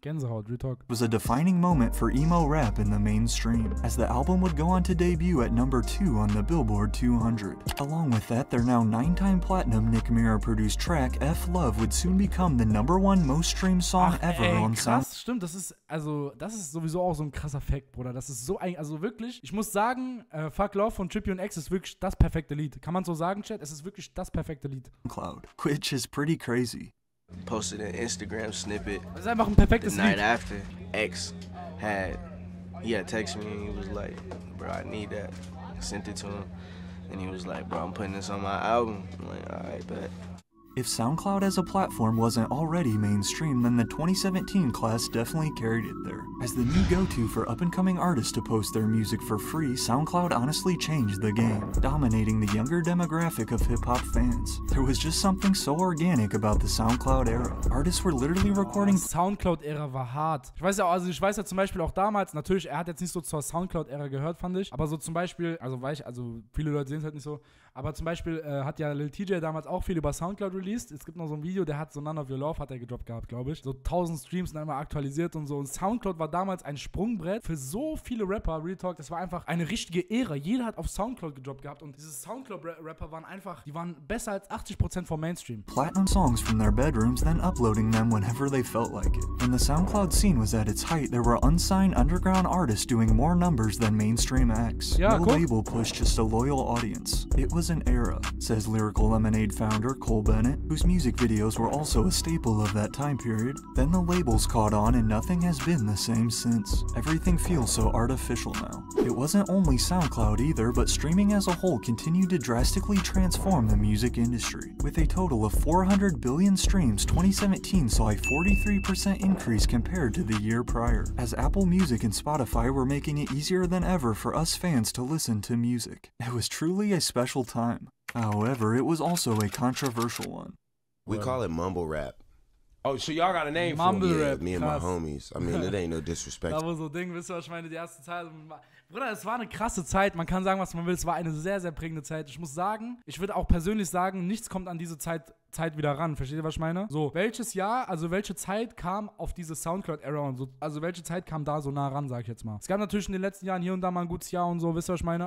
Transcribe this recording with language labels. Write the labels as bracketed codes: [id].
[en] Genza. Was a defining moment for emo rap in the mainstream, as the album would go on to debut at number 2 on the Billboard 200. Along with that, their now 9-time platinum Nick Mirror produced track F Love would soon become the number 1 most streamed song on SoundCloud. [de] Stimmt, das ist sowieso auch so ein krasser Fact, Bruder. Das ist so ein, also wirklich, ich muss sagen, Fuck Love von Trippie und X ist wirklich das perfekte Lied. Kann man so sagen, Chat? Es ist wirklich das perfekte Lied. [en] Cloud, which is pretty crazy. Posted an Instagram snippet. [de] Das ist einfach ein perfektes Lied. [en] The night after, X had texted me and he was like, bro, I need that. I sent it to him. And he was like, bro, I'm putting this on my album. I'm like, alright, bet. If SoundCloud as a platform wasn't already mainstream, then the 2017 class definitely carried it there. As the new go-to for up-and-coming artists to post their music for free, SoundCloud honestly changed the game, dominating the younger demographic of hip-hop fans. There was just something so organic about the SoundCloud era. Artists were literally recording... [de] SoundCloud era war hart. Ich weiß ja, also ich weiß ja zum Beispiel auch damals, natürlich, er hat jetzt nicht so zur SoundCloud era gehört, fand ich, aber so zum Beispiel, also weiß ich, also viele Leute sehen es halt nicht so, aber zum Beispiel hat ja Lil TJ damals auch viel über SoundCloud released. Es gibt noch so ein Video, der hat so None of Your Love hat er gedroppt gehabt, glaube ich. So 1000 Streams und einmal aktualisiert und so. Und SoundCloud war damals ein Sprungbrett für so viele Rapper, Real Talk. Das war einfach eine richtige Ära. Jeder hat auf SoundCloud gedroppt gehabt und diese SoundCloud-Rapper waren einfach, die waren besser als 80% vom Mainstream. [en] Platinum songs from their bedrooms, then uploading them whenever they felt like it. When the SoundCloud scene was at its height, there were unsigned underground artists doing more numbers than mainstream acts. [de] Ja, [en] no cool. Label pushed just a loyal audience. It was an era, says Lyrical Lemonade founder Cole Bennett, whose music videos were also a staple of that time period. Then the labels caught on and nothing has been the same since. Everything feels so artificial now. It wasn't only SoundCloud either, but streaming as a whole continued to drastically transform the music industry. With a total of 400 billion streams, 2017 saw a 43% increase compared to the year prior, as Apple Music and Spotify were making it easier than ever for us fans to listen to music. It was truly a special time. However, it was also a controversial one. We call it mumble rap. Oh, so y'all got a name mumble for it? Yeah, rap, me and [de] krass. [en] My homies. I mean, it ain't no disrespect. [de] Da war so Ding, wisst ihr, was ich meine, die erste Zeit. Bruder, es war eine krasse Zeit. Man kann sagen, was man will. Es war eine sehr, sehr prägende Zeit. Ich muss sagen, ich würde auch persönlich sagen, nichts kommt an diese Zeit Zeit wieder ran. Versteht ihr, was ich meine? So, welches Jahr, also welche Zeit kam auf diese Soundcloud-Era und so, also welche Zeit kam da so nah ran, sag ich jetzt mal. Es gab natürlich in den letzten Jahren hier und da mal ein gutes Jahr und so, wisst ihr, was ich meine?